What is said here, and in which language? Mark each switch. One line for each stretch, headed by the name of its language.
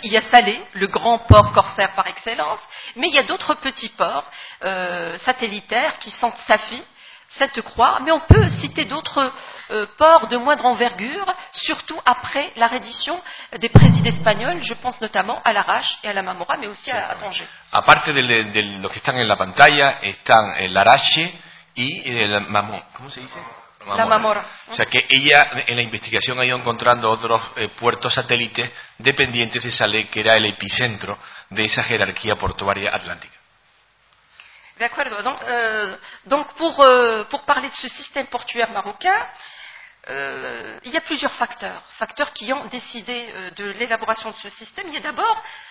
French: Il y a Salé, le grand port corsaire par excellence, mais il y a d'autres petits ports satellitaires qui sont Safi, Sainte-Croix, mais on peut citer d'autres ports de moindre envergure, surtout après la reddition des présidés espagnols, je pense notamment à Larache et à la Marmora, mais aussi à Tanger.
Spanish: Aparte de los que están en la pantalla, están el Larache y el Marmora. ¿Cómo se dice? La Marmora. O sea que ella, en la investigación, ha ido encontrando otros puertos satélites dependientes de Salé, que era el epicentro de esa jerarquía portuaria atlántica.
French: D'accord. Donc pour parler de ce système portuaire marocain, il y a plusieurs facteurs qui ont décidé de l'élaboration de ce système. Il y a d'abord